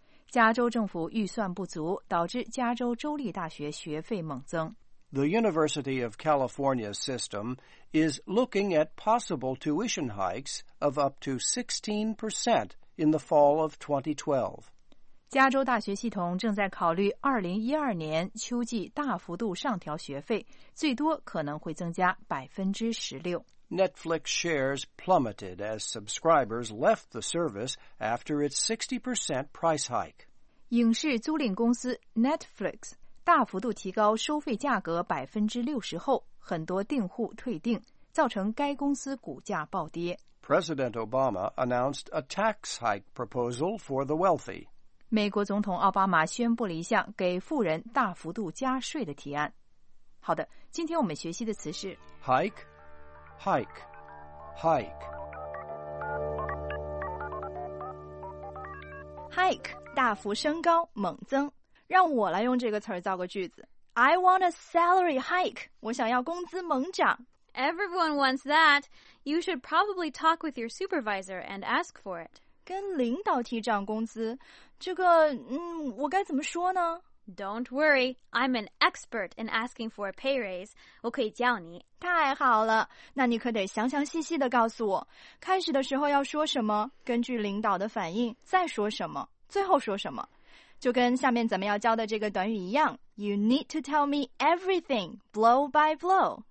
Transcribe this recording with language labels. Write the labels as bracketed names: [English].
[Chinese] 加州政府预算不足，导致加州州立大学学费猛增。 [English] The University of California system is looking at possible tuition hikes of up to 16% in the fall of 2012. [Chinese] 加州大学系统正在考虑2012年秋季大幅度上调学费，最多可能会增加 16%。 [English] Netflix shares plummeted as subscribers left the service after its 60% price hike. [Chinese] 影视租赁公司 Netflix 大幅度提高收费价格60%后，很多订户退订，造成该公司股价暴跌。 [English] President Obama announced a tax hike proposal for the wealthy. [Chinese] 美国总统奥巴马宣布了一项给富人大幅度加税的提案。好的，今天我们学习的词是 [English] hike. Hike, hike. [Chinese] Hike, 大幅升高，猛增。让我来用这个词儿造个句子。 [English] I want a salary hike. [Chinese] 我想要工资猛涨。 [English] Everyone wants that. You should probably talk with your supervisor and ask for it. [Chinese] 跟领导提涨工资，这个，我该怎么说呢？ [English] Don't worry, I'm an expert in asking for a pay raise. [Chinese] 我可以叫你。太好了，那你可得详详细细地告诉我，开始的时候要说什么，根据领导的反应再说什么，最后说什么。就跟下面咱们要教的这个短语一样 [English] ,You need to tell me everything, blow by blow.